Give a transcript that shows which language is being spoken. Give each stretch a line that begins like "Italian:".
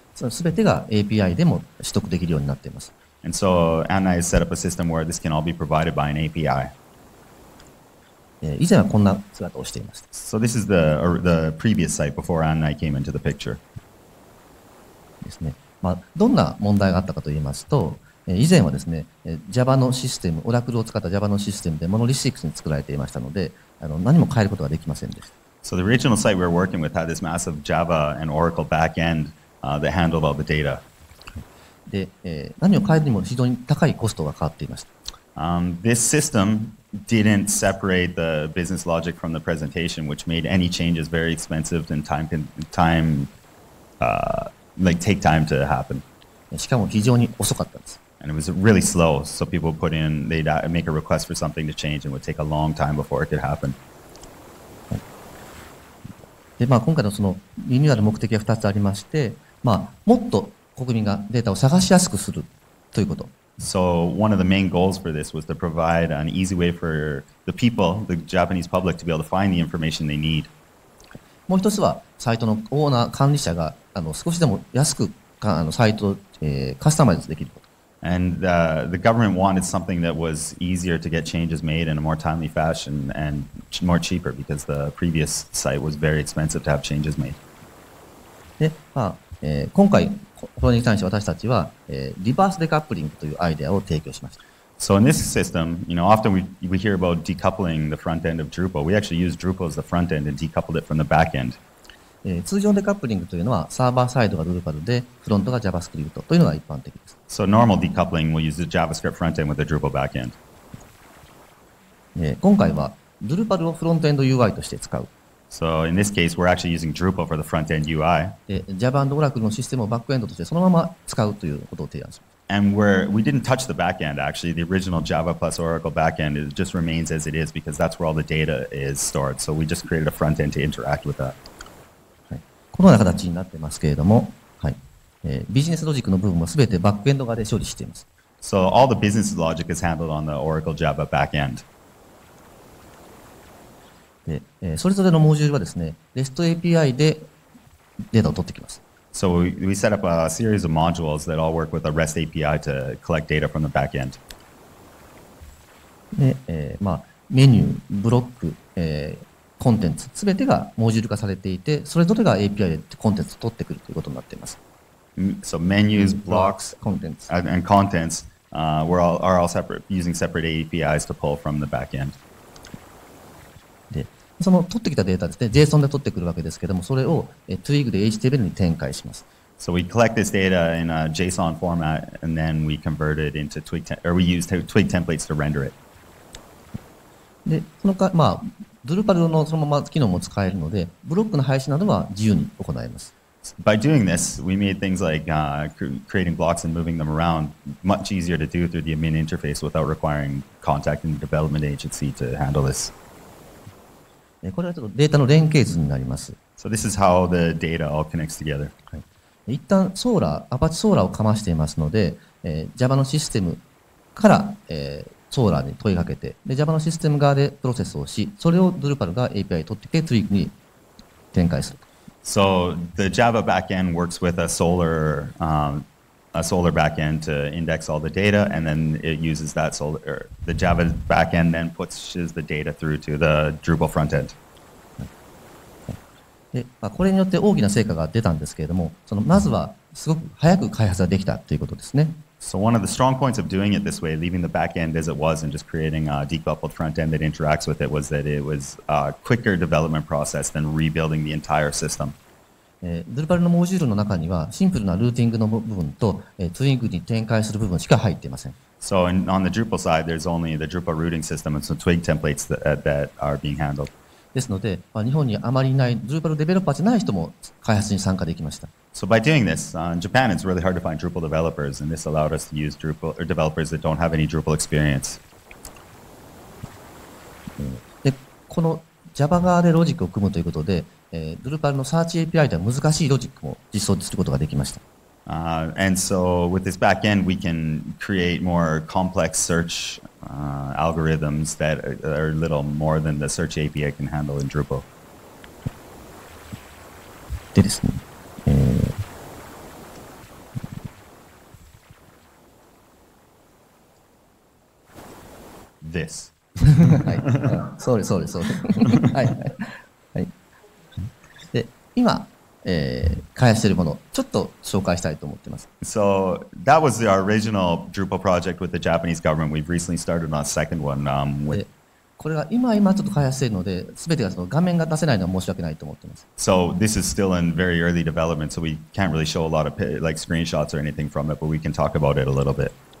Japanese: すべてが API でも取得できるようになっています。
English: And so Anna has set up a system where this can all be provided by an API.
Japanese: 以前はこんな姿をしていました。
English: So this is the previous site before Anna came into the picture.
Japanese: ですね。まあ、どんな問題があったかといいますと、以前はですね、Java のシステム、Oracle を使った Java のシステムで Monolithic に作られていましたので、何も変えることができませんでした。
English: So the original site we were working with had this massive Java and Oracle backend that handled all the data.
Japanese: で、何を変えるにも非常に高いコストがかかっていました。
English: This system didn't separate the business logic from the presentation, which made any changes very expensive and take time to happen.
Japanese: しかも非常に遅かったんです。
English: And it was really slow, so people put in, they'd make a request for something to change and it would take a long time before it could happen.
Japanese: で、まあ、今回のそのリニューアル目的は2つありまして、まあ、もっと国民がデータを探しやすくするということ。
English: So, one of the main goals for this was to provide an easy way for the people, the Japanese public, to be able to find the information they need.
Japanese: もう一つは、サイトのオーナー、管理者が、少しでも安くか、サイトを、カスタマイズできること。
English: And the government wanted something that was easier to get changes made in a more timely fashion and more cheaper because the previous site was very expensive to have changes made.
Japanese: で、まあ、今回、これに関して私たちは、リバースデカップリングというアイデアを提供しました。
English: So in this system, you know, often we hear about decoupling the front end of Drupal. We actually used Drupal as the front end and decoupled it from the back end.
Japanese: 通常デカップリングというのはサーバーサイドがドルパルでフロントが JavaScript というのが一般的です。
English: So normal decoupling will use the JavaScript front end with a Drupal back end.
Japanese: 今回はドルパルをフロントエンド UI として使う。
English: So in this case, we're actually using Drupal for the front end UI.
Japanese: Java and Oracle のシステムをバックエンドとしてそのまま使うということを提案します。
English: And we didn't touch the back end actually. The original Java plus Oracle back end just remains as it is because that's where all the data is stored. So we just created a front end to interact with that.
Japanese: このような形になってますけれども、はい、ビジネスロジックの部分もすべてバックエンド側で処理しています。
English: So all the business logic is handled on the Oracle Java backend.
Japanese: で、それぞれのモジュールはですね、REST API でデータを取ってきます。
English: So we set up a series of modules that all work with a REST API to collect data from the backend.
Japanese: で、まあ、メニュー、ブロック、コンテンツ、すべてがモジュール化されていて、それぞれが API でコンテンツを取ってくるということになっています。
English: So menus, blocks, contents, and contents, are all separate, using separate APIs to pull from the backend.
Japanese: で、その取ってきたデータですね、JSON で取ってくるわけですけども、それを Twig で HTML に展開します。
English: So we collect this data in a JSON format, and then we convert it into Twig, or we use Twig templates to render it.
Japanese: で、そのか、まあ、ドルパルのそのまま機能も使えるので、ブロックの配信などは自由に行えます。
English: By doing this, we made things like creating blocks and moving them around much easier to do through the admin interface without requiring contacting the development agency to handle this.
Japanese: これはちょっとデータの連携図になります。
English: So this is how the data all connects together.
Japanese: 一旦ソーラー、アパチソーラーをかましていますので、Java のシステムから、ソーラーに問いかけて、で、Java のシステム側でプロセスをし、それを Drupal が API を取ってきて、Twig に展開すると。
English: So, the Java backend works with a solar backend to index all the data, and then it uses that solar, the Java backend then pushes the data through to the Drupal frontend.
Japanese: で、まあ、これによって大きな成果が出たんですけれども、その、まずは、すごく早く開発ができたということですね。
English: So one of the strong points of doing it this way, leaving the back end as it was and just creating a decoupled front end that interacts with it was that it was a quicker development process than rebuilding the entire system.
Japanese: Drupal のモジュールの中にはシンプルなルーティングの部分と Twig に展開する部分しか入っていません。
English: So on the Drupal side, there's only the Drupal routing system and some Twig templates that are being handled.
Japanese: ですので、まあ、日本にあまりいない Drupal デベロッパーじゃない人も開発に参加できました。
English: So by doing this, in Japan it's really hard to find Drupal developers, and this allowed us to use Drupal or developers that don't have any Drupal experience.
Japanese: で、この Java 側でロジックを組むということで、Drupal の Search API では難しいロジックも実装することができました。
English: And so with this backend, we can create more complex search algorithms that are a little more than the search API can handle in Drupal.
Japanese: でですね、
English: this.
Japanese: そうです、そうです、そうです。はい。で、今、開発しているもの、ちょっと紹介したいと思っています。
English: So, that was our original Drupal project with the Japanese government. We've recently started on a second one.
Japanese: これが今ちょっと開発しているので、すべてがその画面が出せないのは申し訳ないと思っています。
English: So, this is still in very early development, so we can't really show a lot of like, screenshots or anything from it, but we can talk about it a little bit.